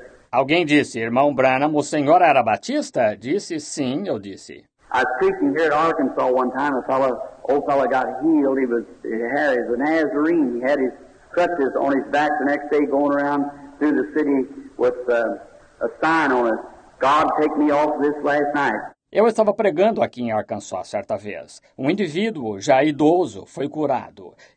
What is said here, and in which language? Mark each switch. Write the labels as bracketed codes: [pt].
[pt] Alguém disse, irmão Branham, o senhor era batista? Disse, sim, eu disse. [en] I was preaching here in Arkansas one time, an old fellow got healed. He had a Nazarene. He had his crutches on his back the next day going around through the city with a sign on it. God, take me off this last night. [pt] Eu estava pregando aqui em Arkansas certa vez. Um indivíduo, já idoso, foi curado.